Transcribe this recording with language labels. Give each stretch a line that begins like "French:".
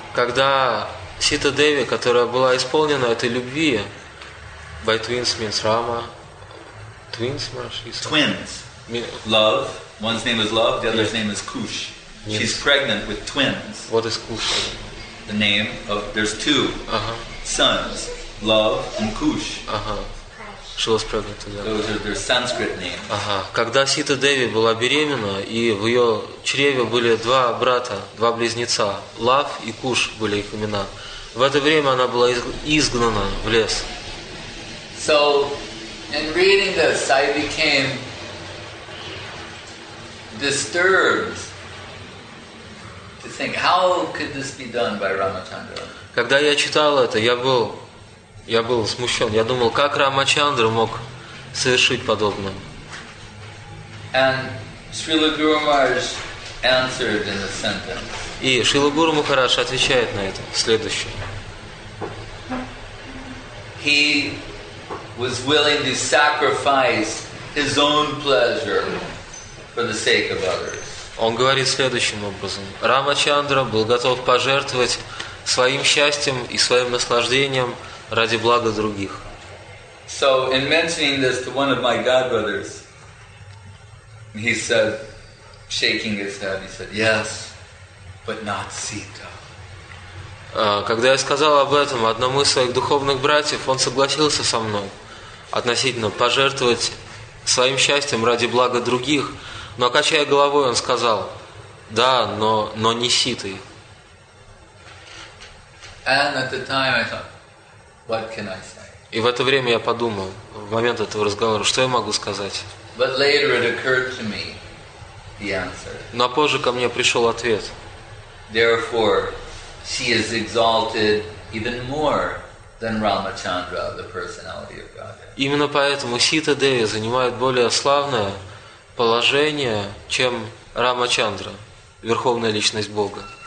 Russian: Когда Сита Деви, которая была исполнена этой любви,
English: by twins means Rama, twins,
Russian: Маршиса.
English: Twins. Love. One's name is Love. The other's name is Kush. Yes. She's pregnant with twins. What is Kush? The name of there's two sons, Love and Kush. She was pregnant to them. Those are their Sanskrit names.
Russian: Когда Сита Деви была беременна, и в ее чреве были два брата, два близнеца, Лав и Куш были их имена, в это время она была изгнана в лес.
English: So, in reading this, I became disturbed to think, how could this be done by Ramachandra?
Russian: Когда я читал это, я был смущен. Я думал, как Рамачандра мог совершить подобное?
English: And Srila Guru Maharaj answered in a sentence.
Russian: И Шрила Гуру Махарадж отвечает на это следующее.
English: He was willing to sacrifice his own pleasure for the sake of others.
Russian: Он говорит следующим образом. Рамачандра был готов пожертвовать своим счастьем и своим наслаждением ради блага других.
English: So, in mentioning this to one of my godbrothers, he said, shaking his head, he said, yes, but not Sita.
Russian: Когда я сказал об этом одному из своих духовных братьев, он согласился со мной относительно пожертвовать своим счастьем ради блага других. Но, качая головой, он сказал, да, но не ситой.
English: And at the time I thought, what can I say?
Russian: И в это время я подумал, в момент этого разговора, что я могу сказать?
English: But later it occurred to me, the answer.
Russian: Но позже ко мне пришел ответ.
English: Therefore, she is exalted even more than Ramachandra, the personality of God.
Russian: Именно поэтому Сита Деви занимает более славное положение, чем Рамачандра, верховная личность Бога.